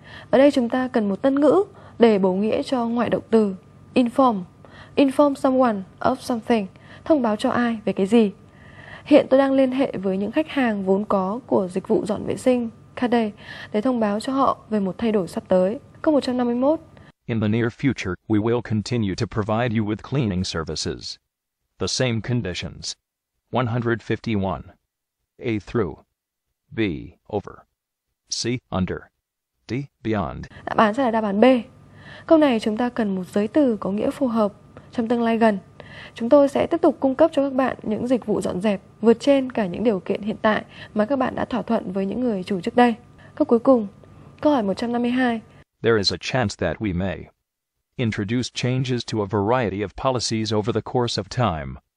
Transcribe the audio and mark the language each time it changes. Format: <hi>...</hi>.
<vi>Ở đây chúng ta cần một tân ngữ để bổ nghĩa cho ngoại động từ inform.</vi> <en>Inform someone of something.</en> <vi>Thông báo cho ai về cái gì. Hiện tôi đang liên hệ với những khách hàng vốn có của dịch vụ dọn vệ sinh Kaday để thông báo cho họ về một thay đổi sắp tới. Câu 151.</vi> <en>In the near future, we will continue to provide you with cleaning services. The same conditions. 151. A through. B over. C under. D beyond.</en> <vi>Đáp án sẽ là đáp án B. Câu này chúng ta cần một giới từ có nghĩa phù hợp trong tương lai gần. Chúng tôi sẽ tiếp tục cung cấp cho các bạn những dịch vụ dọn dẹp vượt trên cả những điều kiện hiện tại mà các bạn đã thỏa thuận với những người chủ trước đây. Câu cuối cùng, câu hỏi 152.</vi> <en>There is a chance that we may introduce changes to a variety of policies over the course of time.</en>